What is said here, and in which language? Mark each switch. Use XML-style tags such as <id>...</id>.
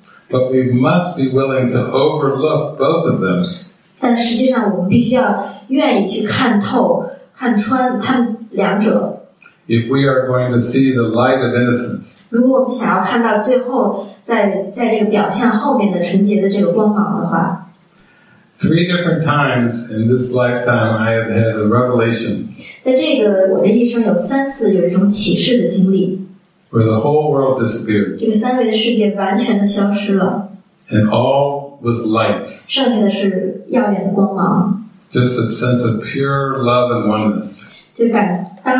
<en>But we must be willing to overlook both of them.</en> <zh>但实际上我们必须要愿意去看透、看穿他们两者。</zh> <en>If we are going to see the light of innocence,</en> <zh>如果我们想要看到最后在这个表象后面的纯洁的这个光芒的话。</zh> <en>Three different times in this lifetime, I have had a revelation.</en> <zh>在这个我的一生有三次有一种启示的经历。</zh> <en>Where the whole world disappeared.</en> <zh>这个三维的世界完全的消失了。</zh> <en>And all was light. Just a sense of pure love and oneness.</en>